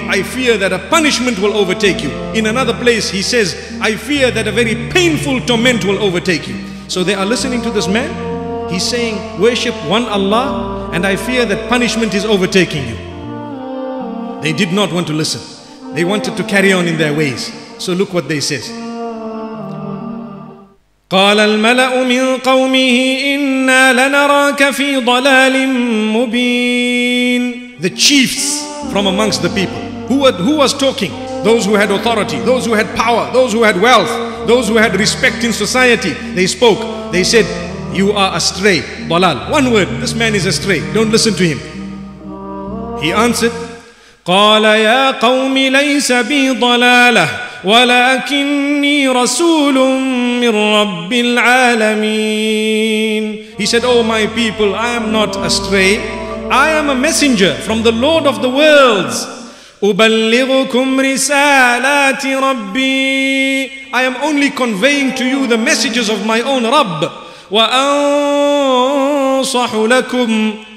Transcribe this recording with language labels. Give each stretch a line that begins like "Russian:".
English: I fear that a punishment will overtake you. In another place he says, I fear that a very painful torment will overtake you. So they are listening to this man. He's saying, worship one Allah and I fear that punishment is overtaking you. They did not want to listen. They wanted to carry on in their ways. So look what they says.
Arabic: قال الملأ من قومه إنا لنراك في ضلال مبين.
English: The chiefs from amongst the people. Who was talking? Those who had authority, those who had power, those who had wealth, those who had respect in society. They spoke. They said, you are astray. ضلال. One word. This man is astray. Don't listen to him. He answered,
Arabic: قال يا قوم ليس بي ضلالة ولكني رسول من رب العالمين.
English: He said, Oh my people, I am not astray. I am a messenger from the Lord of the worlds.
Arabic: أبلغكم رسالات ربي.
English: I am only conveying to you the messages of my own Rabb.
Arabic: وأنصح لكم.